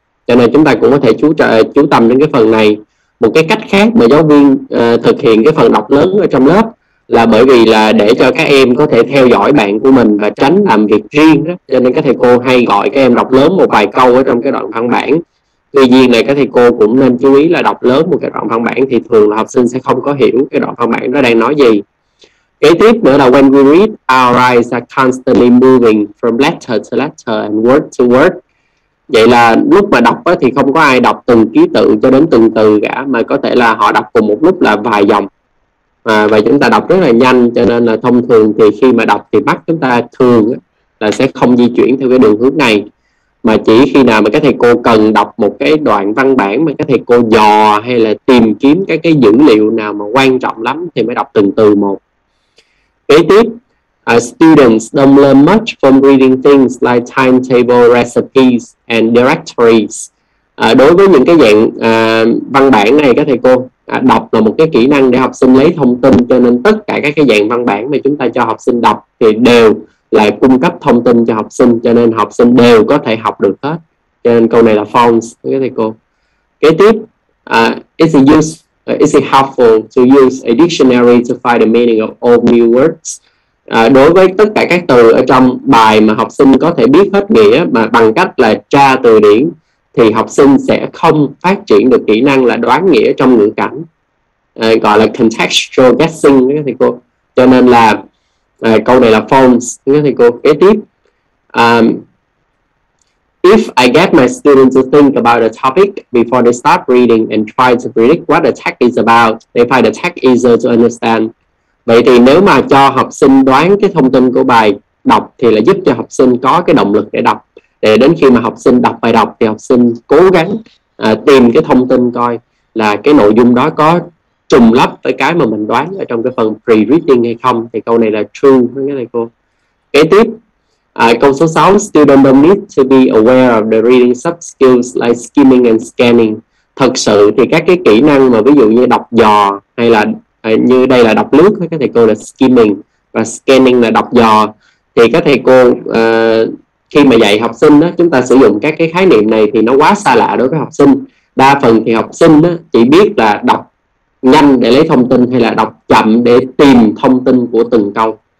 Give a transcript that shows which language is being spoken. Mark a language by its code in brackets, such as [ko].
[vi] Cho nên chúng ta cũng có thể chú tâm đến cái phần này. Một cái cách khác mà giáo viên thực hiện cái phần đọc lớn ở trong lớp là bởi vì là để cho các em có thể theo dõi bạn của mình và tránh làm việc riêng đó. Cho nên các thầy cô hay gọi các em đọc lớn một vài câu ở trong cái đoạn văn bản. Tuy nhiên này các thầy cô cũng nên chú ý là đọc lớn một cái đoạn văn bản thì thường là học sinh sẽ không có hiểu cái đoạn văn bản đó đang nói gì. Kế tiếp nữa là [en] when we read, our eyes are constantly moving from letter to letter and word to word. [vi] Vậy là lúc mà đọc thì không có ai đọc từng ký tự cho đến từng từ cả, mà có thể là họ đọc cùng một lúc là vài dòng. Và chúng ta đọc rất là nhanh, cho nên là thông thường thì khi mà đọc thì mắt chúng ta thường là sẽ không di chuyển theo cái đường hướng này. Mà chỉ khi nào mà các thầy cô cần đọc một cái đoạn văn bản mà các thầy cô dò hay là tìm kiếm các cái dữ liệu nào mà quan trọng lắm thì mới đọc từng từ một. Kế tiếp, [en] students don't learn much from reading things like timetable, recipes and directories. [vi] Đối với những cái dạng văn bản này các thầy cô, đọc là một cái kỹ năng để học sinh lấy thông tin, cho nên tất cả các cái dạng văn bản mà chúng ta cho học sinh đọc thì đều là cung cấp thông tin cho học sinh, cho nên học sinh đều có thể học được hết. Cho nên câu này là false các thầy cô. Kế tiếp, [en] is it helpful to use a dictionary to find the meaning of old new words? [vi] Đối với tất cả các từ ở trong bài mà học sinh có thể biết hết nghĩa mà bằng cách là tra từ điển thì học sinh sẽ không phát triển được kỹ năng là đoán nghĩa trong ngữ cảnh, gọi là contextual guessing các thầy cô. Cho nên là câu này là false các thầy cô. Kế tiếp, [en] if I get my students to think about a topic before they start reading and try to predict what the text is about, they find the text easier to understand. [vi] Vậy thì nếu mà cho học sinh đoán cái thông tin của bài đọc thì là giúp cho học sinh có cái động lực để đọc. Để đến khi mà học sinh đọc bài đọc thì học sinh cố gắng tìm cái thông tin coi là cái nội dung đó có trùng lắp với cái mà mình đoán ở trong cái phần pre-reading hay không. Thì câu này là true với cái này cô. Kế tiếp, câu số 6, [en] student don't need to be aware of the reading sub-skills like skimming and scanning. [vi] Thật sự thì các cái kỹ năng mà ví dụ như đọc dò hay là như đây là đọc lướt, các thầy cô là skimming và scanning là đọc dò, thì các thầy cô khi mà dạy học sinh đó, chúng ta sử dụng các cái khái niệm này thì nó quá xa lạ đối với học sinh. Đa phần thì học sinh đó chỉ biết là đọc nhanh để lấy thông tin hay là đọc chậm để tìm thông tin của từng câu.